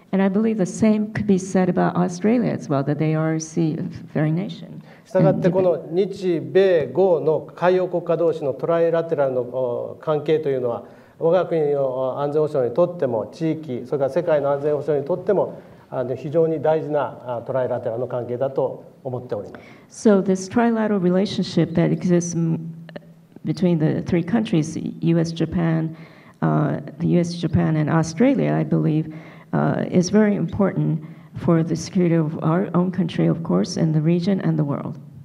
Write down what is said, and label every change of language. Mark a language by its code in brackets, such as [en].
[en] And I believe the same could be said about Australia as well, that they are a seafaring nation. [ja] したがってこの日米豪の海洋国家同士のトライラテラルの関係というのは 我が国の安全保障にとっても、地域、それから世界の安全保障にとっても、非常に大事なトライラテラルの関係だと思っております。 [en] So this trilateral relationship that exists between the three countries, U.S., Japan, the U.S., Japan, and Australia, I believe, is very important for the security of our own country, of course, and the region and the world.